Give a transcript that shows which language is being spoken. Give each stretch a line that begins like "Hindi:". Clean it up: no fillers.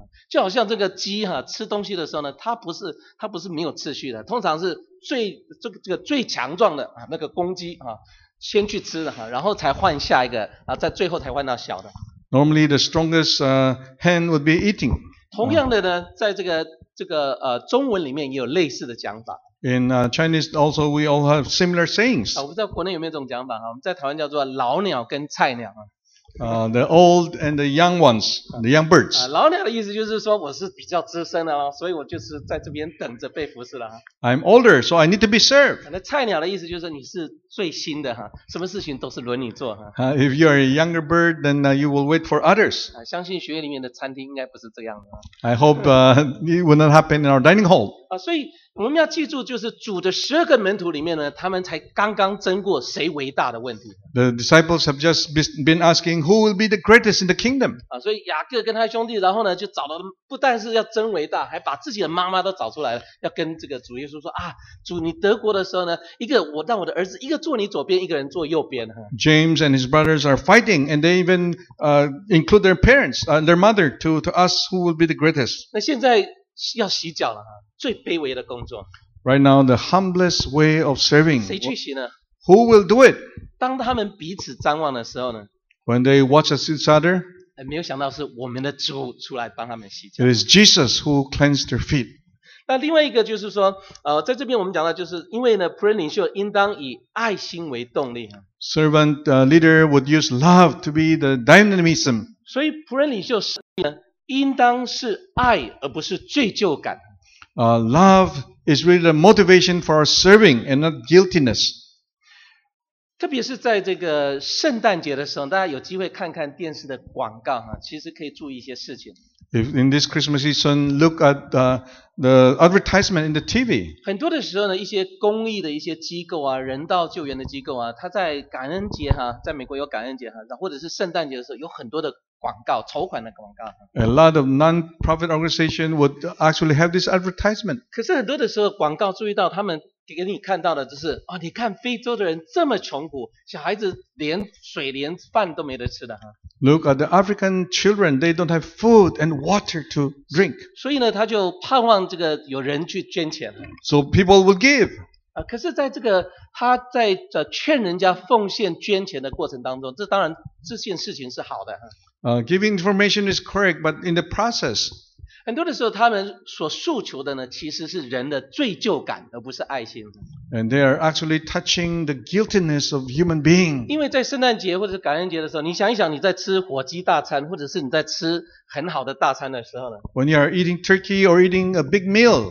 Chinese: 就好像这个鸡吃东西的时候呢，它不是没有次序的，通常是最这个最强壮的那个公鸡先去吃的，然后才换下一个，在最后才换到小的。
English: Normally, the strongest hand would be eating.
Chinese: 同样的呢，在这个中文里面也有类似的讲法。
English: In Chinese, also we all have similar sayings.
Chinese: 我不知道国内有没有这种讲法哈，我们在台湾叫做老鸟跟菜鸟。
English: The old and the young ones, the young birds.
Chinese: 老鸟的意思就是说我是比较资深的所以我就是在这边等着被服侍了。
English: I'm older, so I need to be served.
Chinese: 那菜鸟的意思就是你是最新的什么事情都是轮你做。
English: If you are a younger bird, then you will wait for others.
Chinese: 相信学院里面的餐厅应该不是这样的。
English: I hope it will not happen in our dining hall.
Chinese: 所以我们要记住，就是主的十二个门徒里面呢，他们才刚刚争过谁伟大的问题。
English: The disciples have just been asking who will be the greatest in the kingdom.
Chinese: 所以雅各跟他兄弟，然后呢就找到，不但是要争伟大，还把自己的妈妈都找出来了，要跟这个主耶稣说啊，主你得国的时候呢，一个我让我的儿子一个坐你左边，一个人坐右边。
English: James and his brothers are fighting, and they even include their parents, their mother to ask who will be the greatest.
Chinese: 那现在要洗脚了最卑微的工作。
English: Right now, the humblest way of serving.
Chinese: 谁去洗呢
English: ？Who will do it?
Chinese: 当他们彼此张望的时候呢
English: ？When they watch each other.
Chinese: 没有想到是我们的主出来帮他们洗脚。
English: It is Jesus who cleansed their feet.
Chinese: 那另外一个就是说，在这边我们讲到，就是因为呢，仆人领袖应当以爱心为动力。
English: Servant leader would use love to be the dynamism.
Chinese: 所以仆人领袖呢，应当是爱而不是罪疚感。
English: Love is really the motivation for our serving and not guiltiness.
Chinese: 特别是在这个圣诞节的时候，大家有机会看看电视的广告其实可以注意一些事情。
English: If in this Christmas season, look at the advertisement in the TV.
Chinese: 很多的时候呢，一些公益的一些机构人道救援的机构它在感恩节在美国有感恩节或者是圣诞节的时候，有很多的广告，筹款的广告。
English: A lot of non-profit organization would actually have this advertisement.
Chinese: 可是很多的时候，广告注意到他们给你看到的就是、哦、你看非洲的人这么穷苦，小孩子连水连饭都没得吃的。
English: Look at the African children, they don't have food and water to drink.
Chinese: 所以呢他就盼望这个有人去捐钱。
English: So people will give.
Chinese: 可是在这个他在劝人家奉献捐钱的过程当中，这当然这件事情是好的。
English: Giving information is correct, but in the process,
Chinese: 很多的时候他们所诉求的呢，其实是人的罪疚感，而不是爱心。
English: And they are actually touching the guiltiness of human being.
Chinese: 因为在圣诞节或者感恩节的时候，你想一想，你在吃火鸡大餐，或者是你在吃很好的大餐的时候呢
English: ？When you are eating turkey or eating a big meal.